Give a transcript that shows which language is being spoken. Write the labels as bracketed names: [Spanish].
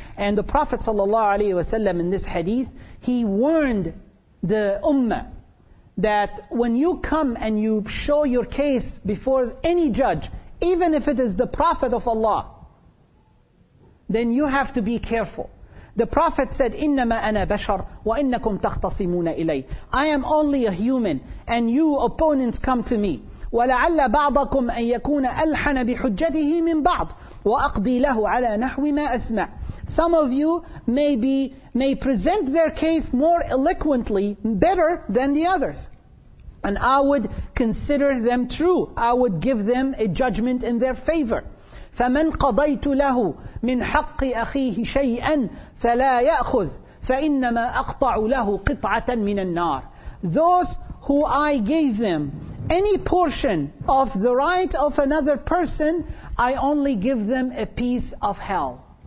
[English] And the Prophet ﷺ in this hadith, he warned the ummah that when you come and you show your case before any judge, even if it is the Prophet of Allah, then you have to be careful. The Prophet said, [Arabic] إِنَّمَا أَنَا بَشَرٌ وَإِنَّكُمْ تَخْتَصِمُونَ إِلَيْهِ [English] I am only a human, and you opponents come to me. [Arabic] وَلَعَلَّ بَعْضَكُمْ أَن يَكُونَ أَلْحَنَ بِحُجَّتِهِ مِنْ بَعْضٍ وَأَقْضِي لَهُ عَلَى نَحْوِ مَا أَسْمَعُ [English] Some of you may present their case more eloquently, better than the others. And I would consider them true. I would give them a judgment in their favor. [Arabic] فَمَنْ قَضَيْتُ لَهُ مِنْ حَقِّ أَخِيهِ شَيْئًا فَلَا يَأْخُذْ فَإِنَّمَا أَقْطَعُ لَهُ قِطْعَةً مِنَ النَّارِ [English] Those who I gave them any portion of the right of another person, I only give them a piece of hell.